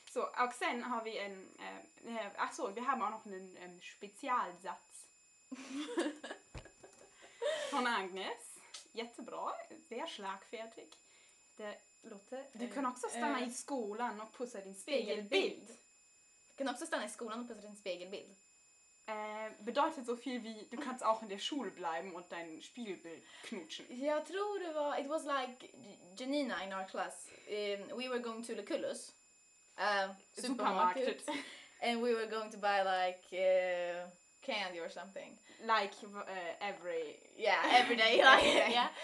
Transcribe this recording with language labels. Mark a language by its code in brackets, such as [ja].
[sv] Så, och sen har vi en... Achso, vi har bara någon specialsats. Från Agnes. Jättebra. Det är slagfärdig. Det låter... Du kan också stanna i skolan och pussa din spegelbild. Du kan också stanna i skolan och pussa din spegelbild. [de] Bedeutet so viel wie, du kannst auch in der Schule bleiben und dein Spiegelbild knutschen. [sv] Jag tror det var, [en] it was like Janina in our class. We were going to Lucullus. Supermarket. And we were going to buy like... candy or something. Like every... Yeah, every day. Like, yeah.